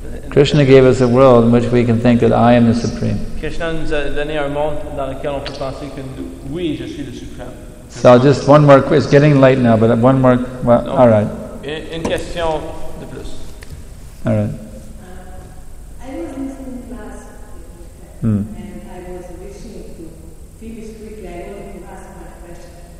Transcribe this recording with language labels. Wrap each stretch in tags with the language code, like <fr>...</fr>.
<en>Krishna gave us a world in which we can think that I am the Supreme.</en> <fr>Krishna nous a donné un monde dans lequel on peut penser que oui, je suis le Supreme.</fr> <en>So just one more question. It's getting late now, but one more. Well, all right.</en> <fr>Une question de plus.</fr> <en>All right. And I was wishing to finish quickly. I wanted to ask my question.</en>